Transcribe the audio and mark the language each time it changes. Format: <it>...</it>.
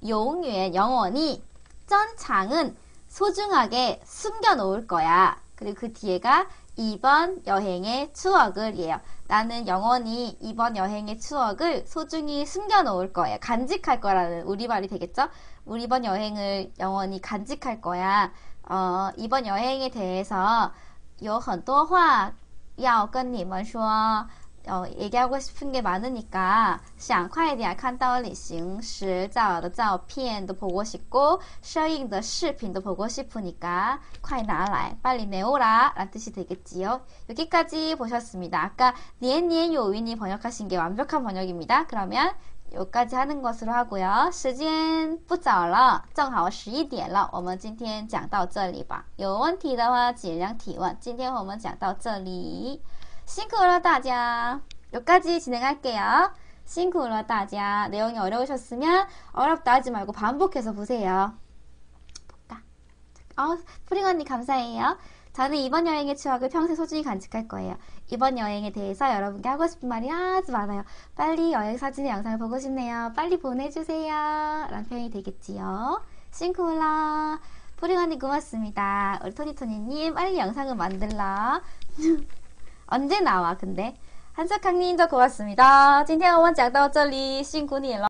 <ko>용유엔 영원히. 쩐창은 소중하게 숨겨놓을 거야. 그리고 그 뒤에가 이번 여행의 추억을이에요. 나는 영원히 이번 여행의 추억을 소중히 숨겨놓을 거야. 간직할 거라는 우리말이 되겠죠? 우리 이번 여행을 영원히 간직할 거야. 이번 여행에 대해서</ko> <zh>有很多话 要跟你们说，</zh> <ko>얘기하고 싶은 게 많으니까</ko> <zh>想快点看到旅行时照的照片都</zh> <ko>보고싶고</ko> <zh>摄影的视频都</zh> <ko>보고싶으니까</ko> <zh>快拿来，</zh> <ko>빨리내오라라는뜻이되겠지요。 여기까지 보셨습니다. 아까 니엔 니엔 요인이 번역하신 게 완벽한 번역입니다. 그러면 여기까지 하는 것으로 하고요.</ko> <zh>시간 不早了，正好11点了。 我们今天讲到这里吧。有问题的话尽量提问。今天我们讲到这里，辛苦了大家。</zh> <ko>여기까지 진행할게요.</ko> <zh>辛苦了大家。</zh> <ko>내용이 어려우셨으면 어렵다 하지 말고 반복해서 보세요. 프링 언니 감사해요. 저는 이번 여행의 추억을 평생 소중히 간직할 거예요. 이번 여행에 대해서 여러분께 하고 싶은 말이 아주 많아요. 빨리 여행 사진의 영상을 보고 싶네요. 빨리 보내주세요. 라는 표현이 되겠지요. 싱크홀라. 프리 언니 고맙습니다. 우리 토니토니님, 빨리 영상을 만들라. 언제 나와, 근데? 한석학님도 고맙습니다.</ko> <zh>今天我们讲到这里，辛苦你了。</zh>